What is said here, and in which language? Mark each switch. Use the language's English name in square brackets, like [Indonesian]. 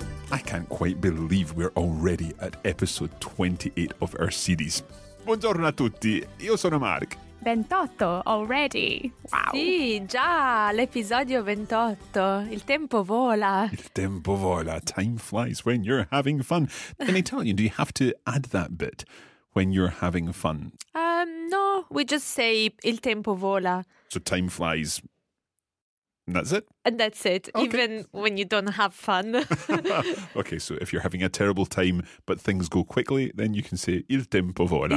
[English] I can't quite believe we're already at Episode 28 of our series. [Italian] Buongiorno a tutti, io sono Mark. [English] 28 already, wow. [Italian] Sì, già, l'episodio 28, il tempo vola. Il tempo vola, [English] time flies when you're having fun. In Italian, do you have to add that bit? When you're having fun? No, we just say [Italian] il tempo vola. [English] So time flies, and that's it? And that's it, okay. Even when you don't have fun. Okay, so if you're having a terrible time, but things go quickly, then you can say [Italian] il tempo vola.